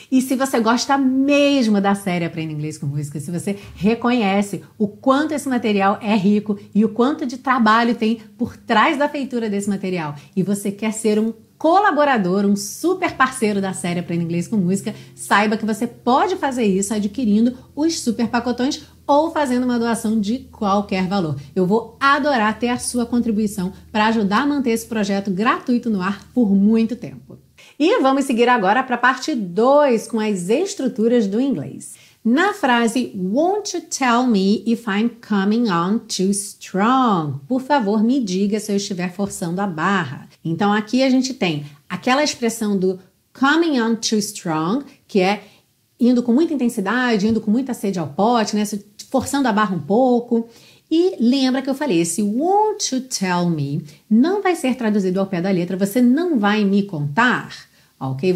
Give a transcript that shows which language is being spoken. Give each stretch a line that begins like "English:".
Portuguese: E se você gosta mesmo da série Aprenda Inglês com Música, se você reconhece o quanto esse material é rico e o quanto de trabalho tem por trás da feitura desse material e você quer ser um colaborador, um super parceiro da série Aprenda Inglês com Música, saiba que você pode fazer isso adquirindo os super pacotões ou fazendo uma doação de qualquer valor. Eu vou adorar ter a sua contribuição para ajudar a manter esse projeto gratuito no ar por muito tempo. E vamos seguir agora para a parte 2 com as estruturas do inglês. Na frase,
English: won't you tell me if I'm coming on too strong?
Portuguese: Por favor, me diga se eu estiver forçando a barra. Então, aqui a gente tem aquela expressão do
English: coming on too strong,
Portuguese: que é indo com muita intensidade, indo com muita sede ao pote, né? Forçando a barra um pouco. E lembra que eu falei, esse
English: won't you tell me
Portuguese: não vai ser traduzido ao pé da letra, você não vai me contar, ok?